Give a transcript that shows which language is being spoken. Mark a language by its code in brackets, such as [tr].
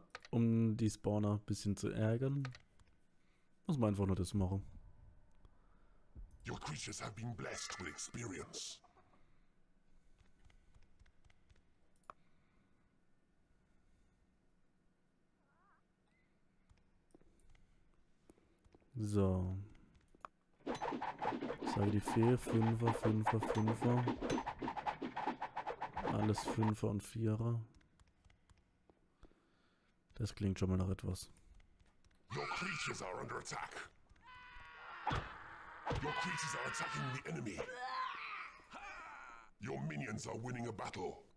[de] Um die Spawner ein bisschen zu ärgern, muss man einfach nur das machen. [en] Your creatures have been blessed with experience. [de] So. Ich sage die Fee, Fünfer, Fünfer, Fünfer. Alles Fünfer und Vierer. Das klingt schon mal nach etwas. [en] Your creatures are under attack. Your creatures are attacking the enemy. Your minions are winning a battle.